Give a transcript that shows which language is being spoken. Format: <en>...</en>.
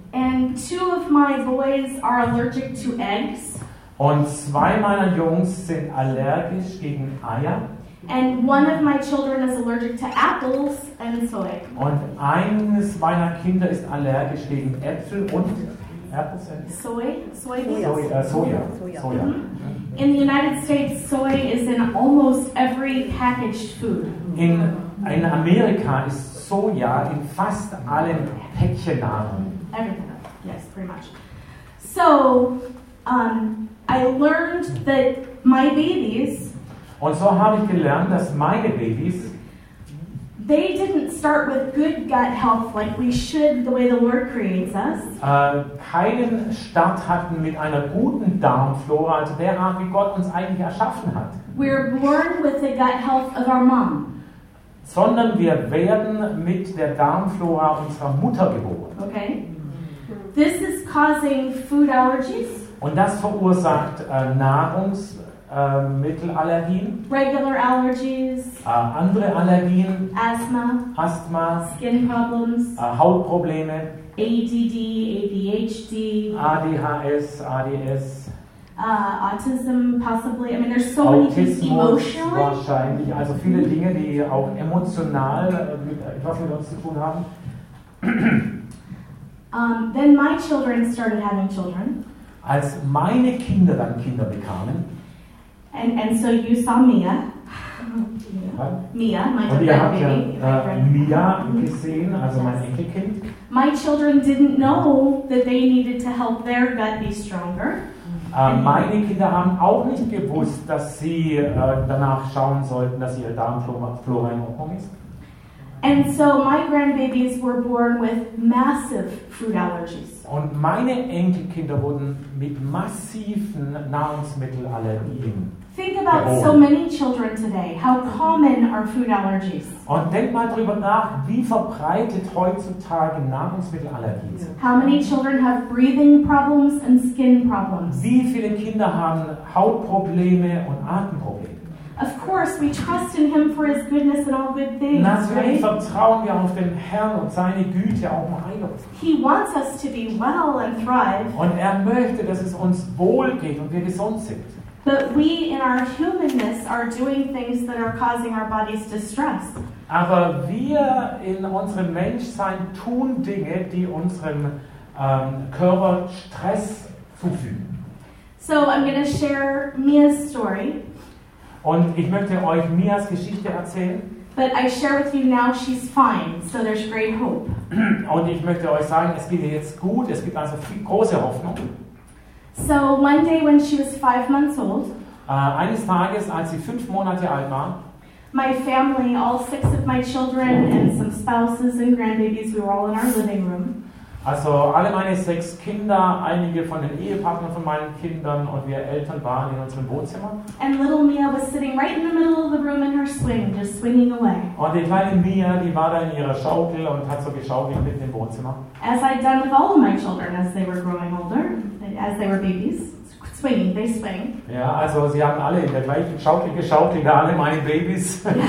<en>And two of my boys are allergic to eggs.</en> <de>Und zwei meiner Jungs sind allergisch gegen Eier.</de> <en>And one of my children is allergic to apples and soy.</en> <de>Und eines meiner Kinder ist allergisch gegen Äpfel und Soya. Mm-hmm.</de> <en>In the United States, soy is in almost every packaged food.</en> <de>In Amerika ist Soja in fast allen Päckchennahrung.</de> <en>Everything, yes, pretty much. So, I learned that my babies.</en> <de>Und so habe ich gelernt, dass meine Babys.</de> <en>They didn't start with good gut health like we should, the way the Lord creates us.</en> <de>Keinen Start hatten mit einer guten Darmflora, also der Art, wie Gott uns eigentlich erschaffen hat.</de> <en>We're born with the gut health of our mom.</en> <de>Sondern wir werden mit der Darmflora unserer Mutter geboren.</de> <en>Okay. This is causing food allergies.</en> <de>Und das verursacht Nahrungs Mittelallergien,</de> <en>regular allergies,</en> <de>andere Allergien,</de> <en>Asthma, skin problems,</en> <de>Hautprobleme,</de> <en>ADD, ADHD,</en> <de>ADHS, ADS,</de> <en>Autism, possibly. I mean, there's so Autismus many things emotionally.</en> <de>Wahrscheinlich, also viele Dinge, die auch emotional etwas mit uns zu tun haben.</de> <en>Then my children started having children.</en> <de>Als meine Kinder dann Kinder bekamen.</de> <en>And so you saw Mia. Mia, my</en> <de>baby. Ja, Mia gesehen, also yes. Mein Enkelkind.</de> <en>My children didn't know that they needed to help their gut be stronger.</en> <de>Meine Kinder haben auch nicht gewusst, dass sie danach schauen sollten, dass ihr Darmflora in Ordnung ist.</de> <en>And so my grandbabies were born with massive food allergies.</en> <de>Und meine Enkelkinder wurden mit massiven Nahrungsmittelallergien.</de> <en>Think about so many children today. How common are food allergies?</en> <de>Und denk mal drüber nach, wie verbreitet heutzutage Nahrungsmittelallergien sind.</de> <en>How many children have breathing problems and skin problems?</en> <de>Wie viele Kinder haben Hautprobleme und Atemprobleme?</de> <en>Of course, we trust in Him for His goodness and all good things.</en> <de>Natürlich Vertrauen wir auf den Herrn und seine Güte auch im Heilung.</de> <en>He wants us to be well and thrive.</en> <de>Und möchte, dass es uns wohl geht und wir gesund sind.</de> <en>But we, in our humanness, are doing things that are causing our bodies distress.</en> <de>Aber wir in unserem Menschsein tun Dinge, die unserem Körper Stress zufügen.</de> <en>So I'm going to share Mia's story.</en> <de>Und ich möchte euch Mias Geschichte erzählen.</de> <en>But I share with you now she's fine, so there's great hope.</en> <de>Und ich möchte euch sagen, es geht ihr jetzt gut, es gibt also viel, große Hoffnung.</de> <en>So one day when she was 5 months old,</en> <de>eines Tages, als sie 5 Monate alt war,</de> <en>my family, all 6 of my children and some spouses and grandbabies, we were all in our living room.</en> <de>Also alle meine 6 Kinder, einige von den Ehepartnern von meinen Kindern und wir Eltern waren in unserem Wohnzimmer.</de> <en>And little Mia was sitting right in the middle of the room in her swing, just swinging away.</en> <de>Und die kleine Mia, die war da in ihrer Schaukel und hat so geschaukelt mitten im Wohnzimmer.</de> <en>As I'd done with all of my children as they were growing older, as they were babies, swinging, they swing.</en> <de>Ja, also sie haben alle in der gleichen Schaukel geschaukelt, alle meine Babys.</de>